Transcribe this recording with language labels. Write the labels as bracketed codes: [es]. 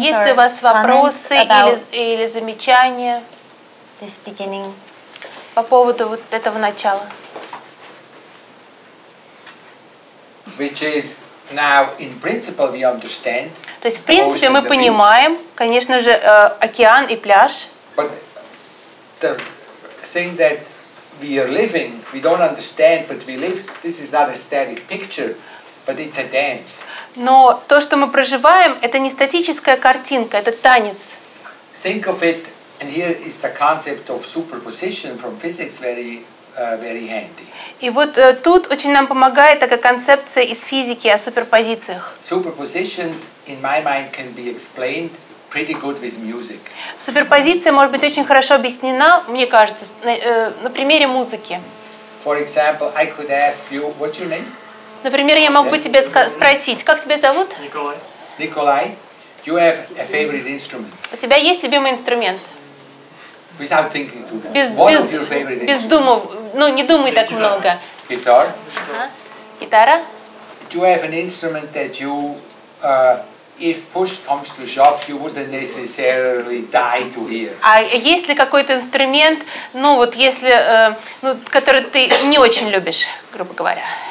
[ru] Есть ли у вас вопросы или замечания? [en] This beginning. [ru] По поводу вот этого начала. [en] Which is now in principle we understand. [ru] То есть в принципе мы понимаем, конечно же, океан и пляж. [en] But the thing that we are living, we don't understand, but we live. This is not a static picture, but it's a dance. [ru] Но то, что мы проживаем, это не статическая картинка, это танец. [en] Think of it, and here is the concept of superposition from physics very, very handy. [ru] И вот тут очень нам помогает такая концепция из физики о суперпозициях. [en] Superpositions, in my mind, can be explained pretty good with music. [ru] Суперпозиция может быть очень хорошо объяснена, мне кажется, на примере музыки. [en] For example, I could ask you, what's your name? [ru] Например, я могу тебя спросить, как тебя зовут? Николай. [en] Николай, do you have a favorite instrument? [ru] У тебя есть любимый инструмент? [en] Without thinking too much. What is your favorite instrument? [ru] Без думов, ну не думай так много. [en] Guitar. [ru] Гитара. [en] Do you have an instrument that you if push comes to shove, you wouldn't necessarily die to hear. [ru] А есть ли какой-то инструмент, ну вот если, ну, который ты не очень любишь, грубо говоря?